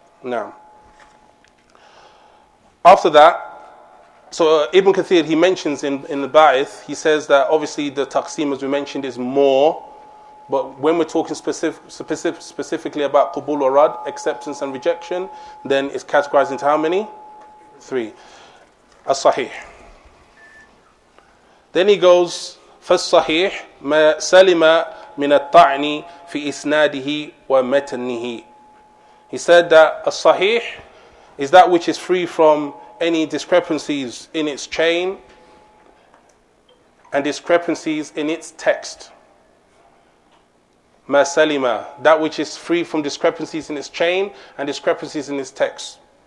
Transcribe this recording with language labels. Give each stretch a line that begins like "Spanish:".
English: Now, after that, so Ibn Kathir, he mentions in the Ba'ith, he says that obviously the taqseem, as we mentioned, is more. But when we're talking specifically about qubul or rad, acceptance and rejection, then it's categorized into how many? Three. As-sahih. Then he goes,
Arabic: فَالصَّحِيح مَا سَلِمَ مِنَ الطَّعْنِ فِي إِسْنَادِهِ وَمَتَنِّهِ.
English: He said that as-sahih is that which is free from any discrepancies in its chain and discrepancies in its text.
Arabic: مَا سَلِمَ,
English: that which is free from discrepancies in its chain and discrepancies in its text.